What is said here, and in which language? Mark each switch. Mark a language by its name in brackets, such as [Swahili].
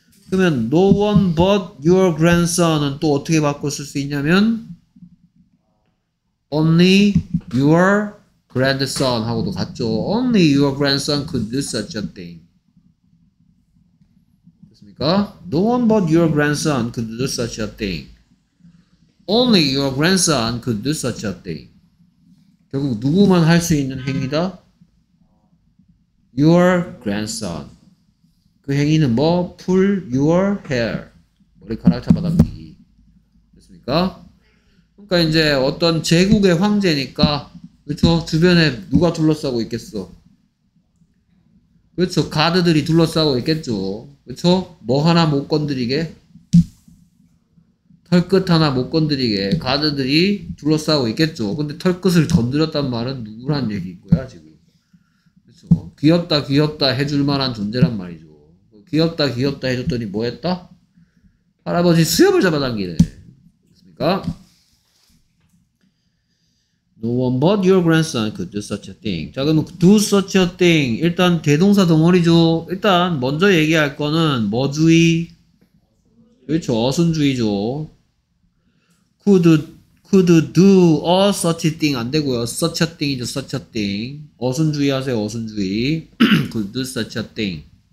[Korean] 그러면 [English] 'No one but your grandson'은 [Korean] 또 어떻게 바꿔 쓸 수 있냐면 [English] 'Only your grandson' [Korean] 하고도 같죠. [English] 'Only your grandson could do such a thing' [Korean] 됐습니까? [English] 'No one but your grandson could do such a thing' Only your grandson could do such a thing. [Korean] 결국 누구만 할 수 있는 행위다? [English] Your grandson. [Korean] 그 행위는 뭐? [English] Pull your hair. [Korean] 머리카락 잡아당기기. 됐습니까? 그러니까 이제 어떤 제국의 황제니까 그렇죠? 주변에 누가 둘러싸고 있겠어? 그렇죠? 가드들이 둘러싸고 있겠죠? 그렇죠? 뭐 하나 못 건드리게? 털끝 하나 못 건드리게 가드들이 둘러싸고 있겠죠. 근데 털끝을 건드렸단 말은 누구란 얘기인 거야 지금. 그렇죠. 귀엽다 귀엽다 해줄 만한 존재란 말이죠. 귀엽다 귀엽다 해줬더니 뭐 했다? 할아버지 수염을 잡아당기네. 그렇습니까? [English] No one but your grandson could do such a thing. [Korean] 자 그럼 [English] do such a thing. [Korean] 일단 대동사 동어리죠. 일단 먼저 얘기할 거는 뭐주의? 그렇죠. 어순주의죠. [English] could do a such a thing [Korean] 안 되고요. [English] such a thing이죠. such a thing. [Korean] 어순주의 하세요. 어순주의. [English] could do such a thing.